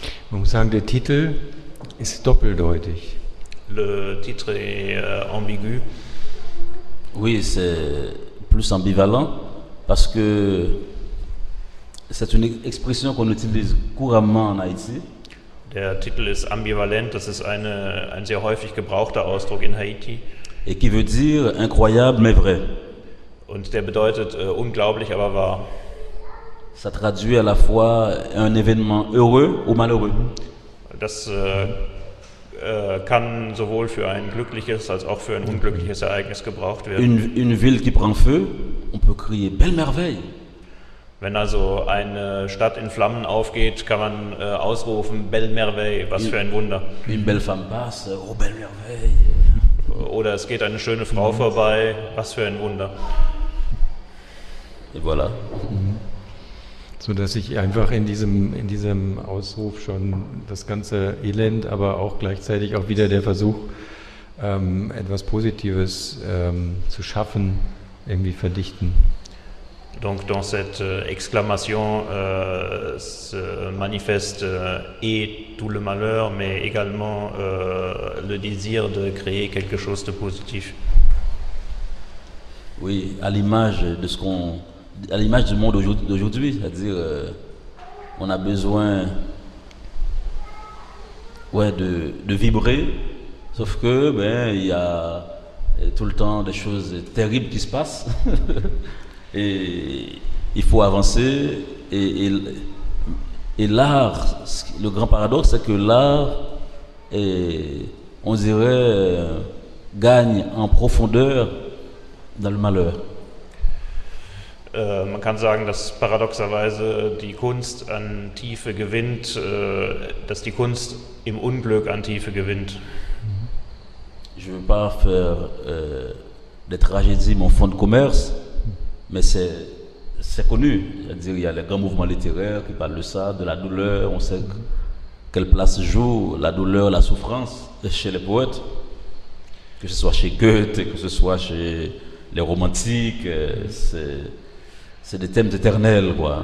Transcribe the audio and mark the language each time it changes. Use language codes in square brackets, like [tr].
[de] Man muss sagen, der Titel ist doppeldeutig. [fr] Le titre est ambigu. Oui, c'est plus ambivalent, parce que c'est une expression qu'on utilise couramment en Haïti. [de] Der Titel ist ambivalent, das ist ein sehr häufig gebrauchter Ausdruck in Haiti. [fr] Et qui veut dire incroyable mais vrai. [de] Und der bedeutet unglaublich, aber wahr. [fr] Ça traduit à la fois un événement heureux ou malheureux. [de] Das kann sowohl für ein glückliches als auch für ein unglückliches Ereignis gebraucht werden. [fr] Une ville qui prend feu, on peut crier belle merveille. [de] Wenn also eine Stadt in Flammen aufgeht, kann man ausrufen, Belle Merveille, was für ein Wunder. [fr] Une belle femme passe, oh belle merveille. [de] Oder es geht eine schöne Frau vorbei, was für ein Wunder. [fr] Et voilà. [de] So dass ich einfach in diesem Ausruf schon das ganze Elend, aber auch gleichzeitig auch wieder der Versuch, etwas Positives zu schaffen, irgendwie verdichten. [fr] Donc dans cette exclamation se manifeste et tout le malheur, mais également le désir de créer quelque chose de positif. Oui, à l'image de ce qu'on, à l'image du monde d'aujourd'hui, c'est-à-dire on a besoin de vibrer, sauf que ben il y a tout le temps des choses terribles qui se passent. Et il faut avancer, et l'art, le grand paradoxe, c'est que l'art, est, on dirait, gagne en profondeur dans le malheur. [de] Man kann sagen, dass paradoxerweise die Kunst an Tiefe gewinnt, dass die Kunst im Unglück an Tiefe gewinnt. [fr] Je ne veux pas faire des tragédies mon fonds de commerce. Mais c'est connu, c'est-à-dire il y a les grands mouvements littéraires qui parlent de ça, de la douleur, on sait quelle place joue la douleur, la souffrance chez les poètes, que ce soit chez Goethe, que ce soit chez les romantiques, c'est des thèmes éternels, quoi.